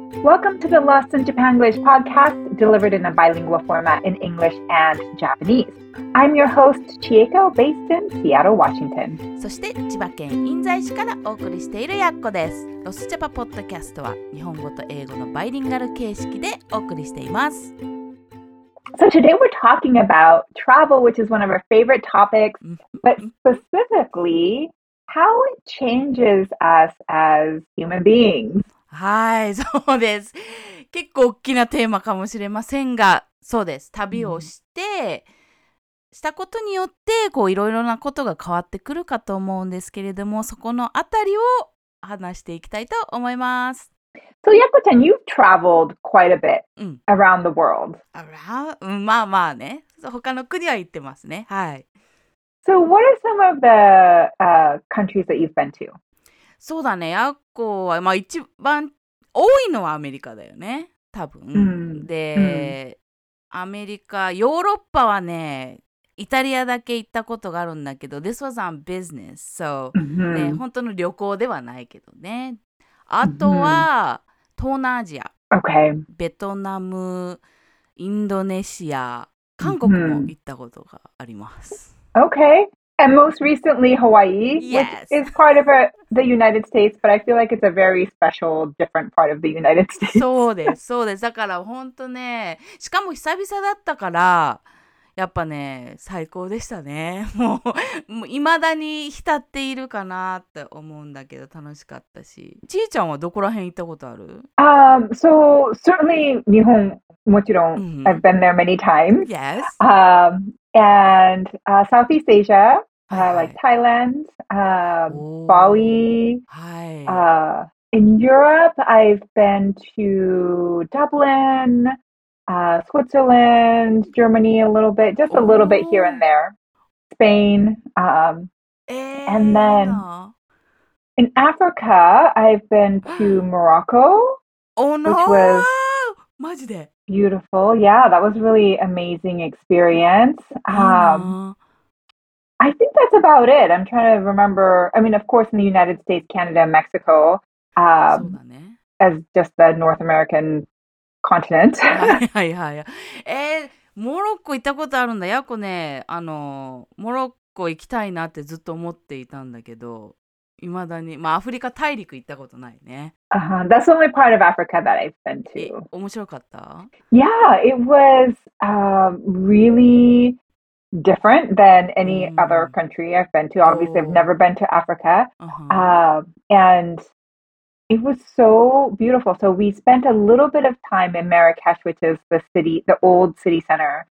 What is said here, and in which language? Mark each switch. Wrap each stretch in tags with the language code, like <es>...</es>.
<en>Welcome to the Lost in Japan English podcast, delivered in a bilingual format in English and Japanese. I'm your host, Chieko, based in Seattle, Washington.</en> <ja>そして千葉県印西市からお送りしているやっこです。ロスジャパポッドキャストは日本語と英語のバイリンガル形式でお送りしています。</ja> <en>So today we're talking about travel, which is one of our favorite topics, but specifically how it changes us as human beings.</en> <ja>はい、そうです。結構大きなテーマかもしれませんが、そうです。旅をして、したことによって、こういろいろなことが変わってくるかと思うんですけれども、そこのあたりを話していきたいと思います。</ja> <en>So, Yako-chan, you've traveled quite a bit around the world.</en> <ja>まあまあね。他の国は行ってますね。はい。</ja> <en>So, what are some of the countries that you've been to?</en> <ja>そうだね。 Yako は、まあ一番多いのはアメリカだよね。多分。 Mm-hmm. で、アメリカ、ヨーロッパはね、イタリアだけ行ったことがあるんだけど、</ja> <en>This was on business.</en> <ja>So, ね、本当の旅行ではないけどね。あとは、東南アジア、</ja> <en>okay.</en> <ja>ベトナム、インドネシア、韓国も行ったことがあります。</ja> <en>Okay. And most recently, Hawaii, yes. which is part of the United States, but I feel like it's a very special, different part of the United States.</en> <ja>そうです、そうです。だから本当ね、しかも久々だったから、やっぱね、最高でしたね。もう未だに浸っているかなって思うんだけど、楽しかったし。ちーちゃんはどこら辺行ったことある？</ja> <en>So, certainly, 日本、</en> <ja>もちろん、</ja> <en>I've been there many times. Yes. And Southeast Asia, like Thailand, Bali. Hi. In Europe, I've been to Dublin. Switzerland, Germany a little bit, just a little bit here and there, Spain, and then in Africa, I've been to Morocco, which was beautiful. Yeah, that was really amazing experience. I think that's about it. I'm trying to remember. I mean, of course, in the United States, Canada, Mexico, as just the North American. Continent.</en> <ja>はいはいはい。モロッコ行ったことあるんだ。やっこね、モロッコ行きたいなってずっと思っていたんだけど、いまだに、まあアフリカ大陸行ったことないね。 Uh-huh.</ja> <en>That's the only part of Africa that I've been to.</en> <ja>面白かった？</ja> <en>Yeah, it was really different than any other country I've been to. Obviously, I've never been to Africa. And... It was so beautiful. So we spent a little bit of time in Marrakesh, which is the city, the old city center.</en>